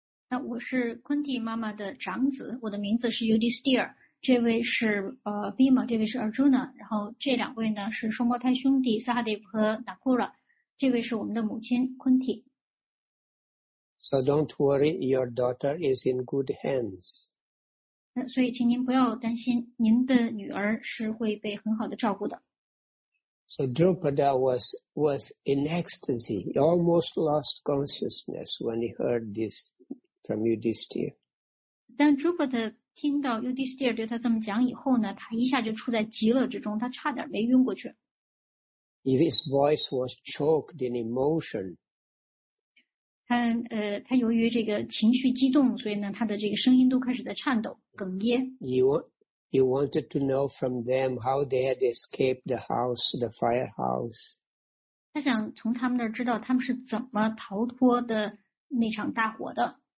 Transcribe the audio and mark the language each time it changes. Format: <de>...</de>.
<zh>那我是 Kunti 妈妈的长子，我的名字是 Yudhishthira。这位是Bhima， 这位是 Arjuna， 然后这两位呢是双胞胎兄弟 Sahadeva 和 Nakula。这位是我们的母亲 Kunti。</zh> <en>So don't worry, your daughter is in good hands.</en> <zh>那所以请您不要担心，您的女儿是会被很好的照顾的。</zh> <en>So Draupadi was in ecstasy. He almost lost consciousness when he heard this from Yudhishthira.</en> <zh>但 Draupadi 听到 Yudhishthira 对他这么讲以后呢，他一下就处在极乐之中，他差点没晕过去。</zh> <en>His voice was choked in emotion.</en> <zh>他由于这个情绪激动，所以呢，他的这个声音都开始在颤抖、哽咽。</zh> <en>He wanted to know from them how they had escaped the house, the firehouse.</en> <zh>他想从他们那儿知道他们是怎么逃脱的那场大火的。</zh>